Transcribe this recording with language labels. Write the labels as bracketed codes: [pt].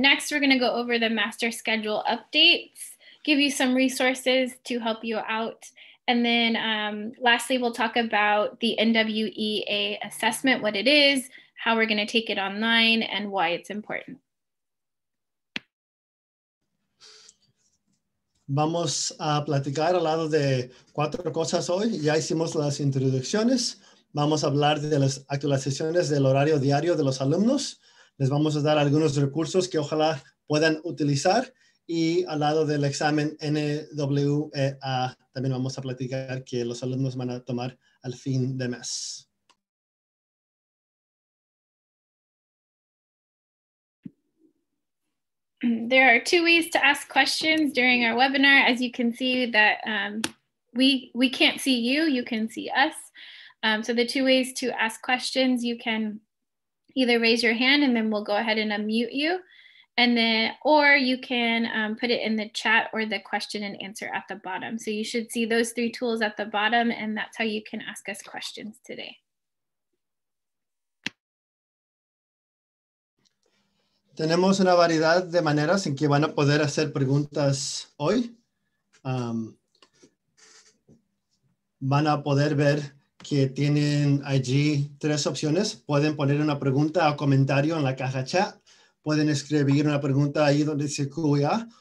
[en] Next, we're going to go over the master schedule updates, give you some resources to help you out. And then lastly, we'll talk about the NWEA assessment, what it is, how we're going to take it online, and why it's important. [es] Vamos a platicar al lado de cuatro cosas hoy. Ya hicimos las introducciones. Vamos a hablar de las actualizaciones del horario diario de los alumnos. Les vamos a dar algunos recursos que ojalá puedan utilizar. Y al lado del examen NWEA, también vamos a platicar que los alumnos van a tomar al fin de mes. [en] There are two ways to ask questions during our webinar. As you can see that we can't see you, you can see us. So the two ways to ask questions, you can either raise your hand and then we'll go ahead and unmute you, and then, or you can put it in the chat or the question and answer at the bottom. So you should see those three tools at the bottom, and that's how you can ask us questions today. [es] Tenemos una variedad de maneras en que van a poder hacer preguntas hoy. Van a poder ver que tienen allí tres opciones. Pueden poner una pregunta o comentario en la caja chat. Pueden escribir una pregunta ahí donde dice QA.